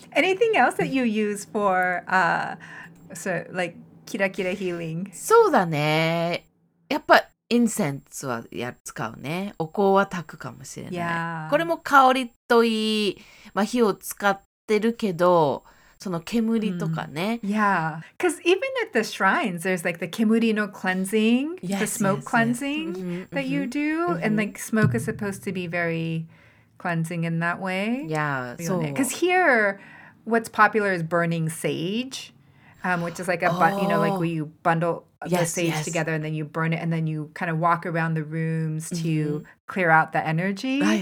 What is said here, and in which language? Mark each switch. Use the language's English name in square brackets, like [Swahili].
[English] Anything else that you use for, so, like, キラキラ healing? [Japanese] そうだね。やっぱ、インセンスは使うね。お香は炊くかもしれない。 [English] Yeah. [Japanese] これも香りといい、まあ、火を使ってるけど、その煙とかね。 [English] Yeah. Because even at the shrines, there's like the [Japanese] 煙の [English] cleansing, yes, the smoke cleansing that you do. And like smoke is supposed to be very cleansing in that way. Yeah. So. Because here, what's popular is burning sage. Which is like a, you know, like where you bundle the sage together and then you burn it and then you kind of walk around the rooms to clear out the energy.